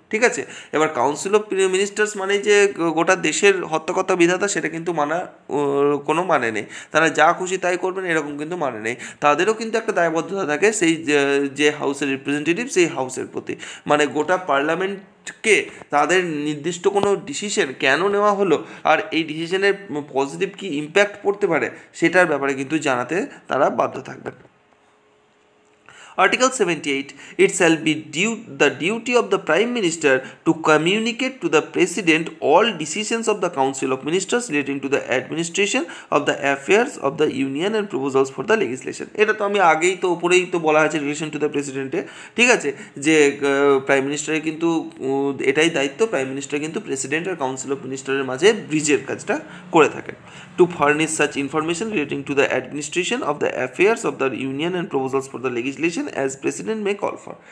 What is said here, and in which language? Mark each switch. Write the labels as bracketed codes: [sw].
[bn] ঠিক আছে, এবার কাউন্সিল অফ মিনিস্টার্স মানে যে গোটা দেশের হত্যাকর্তা বিধাতা সেটা কিন্তু মানা কোনো মানে নেই, তারা যা খুশি তাই করবেন এরকম কিন্তু মানে নেই, তাদেরও কিন্তু একটা দায়বদ্ধতা থাকে সেই যে হাউসের রিপ্রেজেন্টেটিভ সেই হাউসের প্রতি, মানে গোটা পার্লামেন্ট কে তাদের নির্দিষ্ট কোনো ডিসিশন কেন নেওয়া হলো আর এই ডিসিশনের পজিটিভ কী ইম্প্যাক্ট পড়তে পারে সেটার ব্যাপারে কিন্তু জানাতে তারা বাধ্য থাকবেন। [en] Article 78, it shall be the duty of the Prime Minister to communicate to the President all decisions of the Council of Ministers relating to the administration of the affairs of the Union and proposals for the legislation. [bn] এটা তো আমি আগেই তো উপরেই তো বলা আছে relation to the প্রেসিডেন্টে। ঠিক আছে, যে প্রাইম মিনিস্টারের কিন্তু এটাই দায়িত্ব, প্রাইম মিনিস্টার কিন্তু প্রেসিডেন্ট আর কাউন্সিল অফ মিনিস্টারের মাঝে ব্রিজের কাজটা করে থাকেন। [en] To furnish such information relating to the administration of the affairs of the union and proposals for the legislation as president may call for.